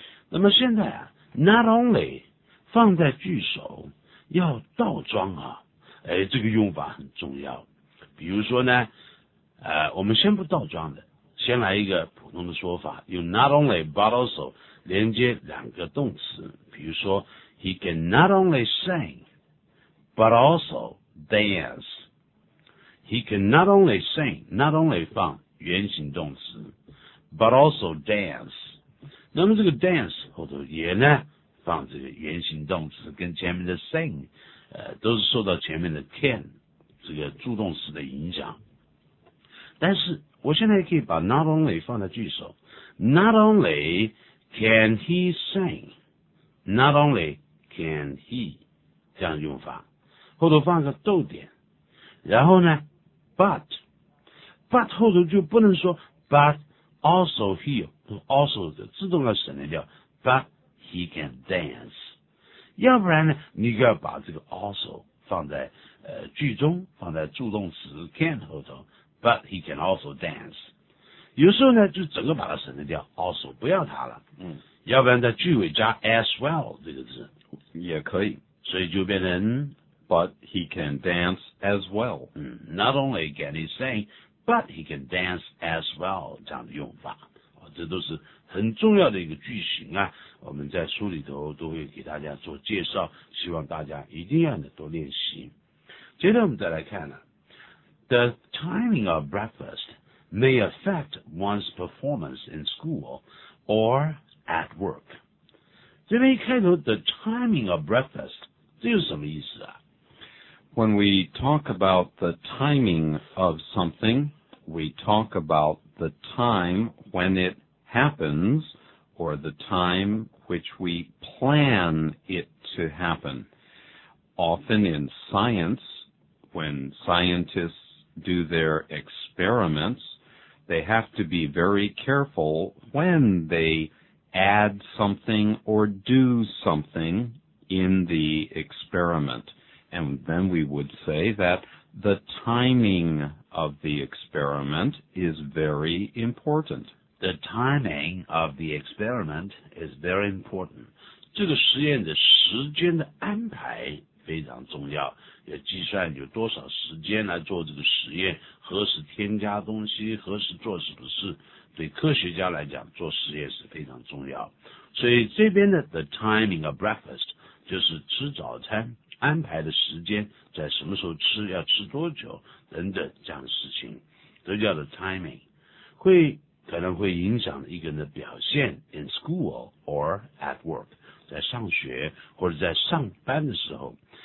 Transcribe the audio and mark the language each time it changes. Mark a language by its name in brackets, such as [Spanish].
[Chinese] 那么现在啊 ,not only, 放在句首要倒装啊，哎，这个用法很重要。比如说呢，我们先不倒装的，先来一个普通的说法，用 not only but also 连接两个动词。 [English] 比如说 ,he can not only sing, but also dance. He can not only sing, not only 放原形动词 ,but also dance. [Chinese] 那么这个 dance 后头也呢放这个原形动词，跟前面的 sing, 都是受到前面的 can, 这个助动词的影响。但是我现在可以把 not only 放在句首， not only can he sing, not only can he, 这样用法，后头放个逗点，然后呢 but 后头就不能说 but also he, also 的自动要省略掉 but he can dance, 要不然呢你就要把这个 also 放在句中，放在助动词 can 后头， But he can also dance. 有时候呢就整个把它省略掉 also 不要它了。嗯，要不然在句尾加 as well 这个字。也可以。所以就变成 [English] But he can dance as well. 嗯 ,not only can he sing, but he can dance as well, 这样的用法。 [Chinese] 这都是很重要的一个句型啊，我们在书里头都会给大家做介绍，希望大家一定要多练习。 [English] 接着我们再来看呢， The timing of breakfast may affect one's performance in school or at work. [Chinese] 这边一开头 the timing of breakfast, 这有什么意思啊？ [English] When we talk about the timing of something, we talk about the time when it happens or the time which we plan it to happen. Often in science, when scientistsdo their experiments, they have to be very careful when they add something or do something in the experiment. And then we would say that the timing of the experiment is very important. The timing of the experiment is very important. [Chinese] 这个实验的时间的安排非常重要，要计算有多少时间来做这个实验，何时添加东西，何时做什么事，对科学家来讲做实验是非常重要。所以这边的 the timing of breakfast 就是吃早餐安排的时间，在什么时候吃，要吃多久等等，这样的事情都叫做 timing, 会可能会影响一个人的表现 in school or at work, 在上学或者在上班的时候